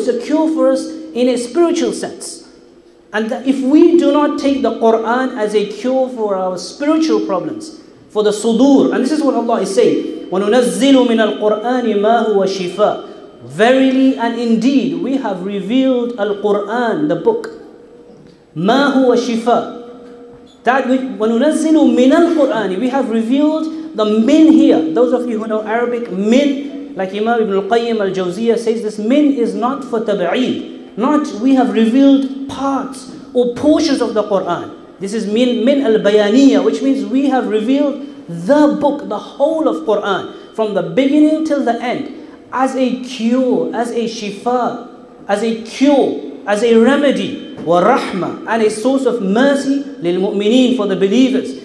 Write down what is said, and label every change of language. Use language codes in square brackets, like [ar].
[en] It's a cure for us in a spiritual sense. And if we do not take the Quran as a cure for our spiritual problems, for the sudur, and this is what Allah is saying, [ar] وَنُنَزِّلُ مِنَ الْقُرْآنِ مَا هُوَ شِفَاء. [en] Verily and indeed, we have revealed al-Quran, the book. [ar] مَا هُوَ شِفَاء. [en] That which, [ar] وَنُنَزِّلُ مِنَ الْقُرْآنِ. [en] We have revealed the min here. Those of you who know Arabic, min, like Imam Ibn al-Qayyim al-Jawziyah says, this min is not for tab'eed. Not we have revealed parts or portions of the Quran. This is min al-bayaniyah, which means we have revealed the book, the whole of Quran, from the beginning till the end, as a cure, as a shifa, as a cure, as a remedy, wa rahma, and a source of mercy lil mu'mineen, for the believers.